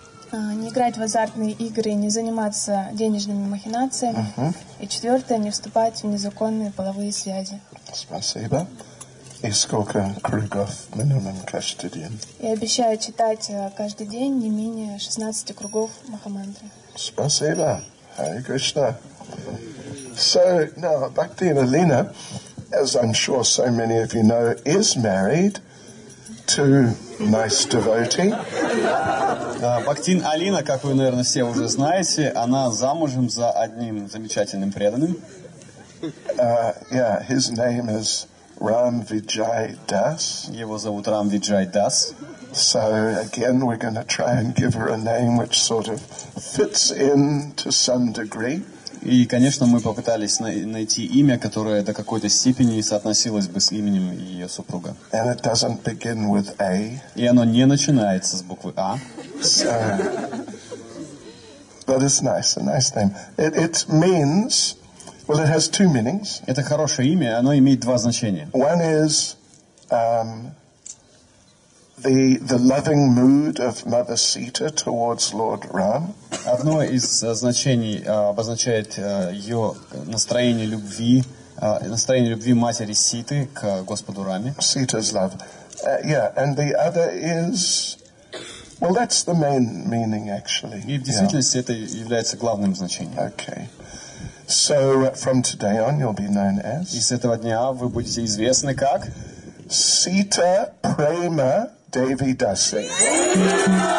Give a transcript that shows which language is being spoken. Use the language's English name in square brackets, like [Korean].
[Russian] Не играть в азартные игры и не заниматься денежными махинациями. И четвертое. Не вступать в незаконные половые связи. Спасибо. И сколько кругов минимум каждый день? Я обещаю читать каждый день не менее 16 кругов Махамантры. Спасибо. Hare Krishna. [English] So now, Bhakti Lalina, as I'm sure so many of you know, is married to nice devotee. [Russian] Бхакти Алина, как вы, наверное, все уже знаете, она замужем за одним замечательным преданным. [English] Yeah, his name is Ram Vijay Das. [Russian] Его зовут Рам Виджай Дас. [English] So again, we're going to try and give her a name which sort of fits in to some degree. [Russian] И, конечно, мы попытались найти имя, которое до какой-то степени соотносилось бы с именем ее супруга. [English] And it doesn't begin with A. [Russian] И оно не начинается с буквы А. [English] So, but it's nice, a nice name. It means, well, it has two meanings. [Russian] Это хорошее имя, оно имеет два значения. [English] One is the loving mood of Mother Sita towards Lord Ram. [Russian] Одно из значений обозначает ее настроение любви матери Ситы к Господу Раме. [English] Sita's love. Yeah, and the other is, well, that's the main meaning, actually. [Russian] И в действительности это является главным значением. [English] Okay. So, from today on, you'll be known as? [Russian] И с этого дня вы будете известны как? [English] Sita Prema Devi Dasi.